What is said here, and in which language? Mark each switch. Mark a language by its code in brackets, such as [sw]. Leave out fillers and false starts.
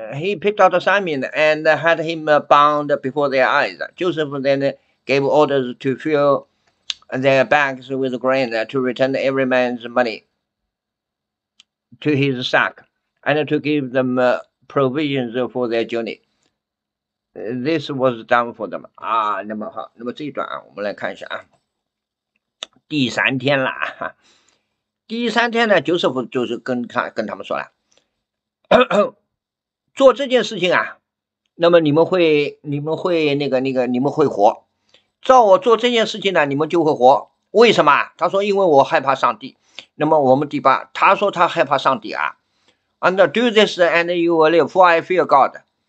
[en] And had him bound before their eyes. Joseph then gave orders to fill their bags with grain, to return every man's money to his sack, and to give them provisions for their journey. This was done for them. [zh] 啊，那么好，那么这一段啊，我们来看一下啊。第三天了，第三天呢，就是跟他们说了，做这件事情啊，那么你们会活。照我做这件事情呢，你们就会活。为什么？他说，因为我害怕上帝。那么我们第八，他说他害怕上帝啊。 [en] And do this and you will live, for I fear God.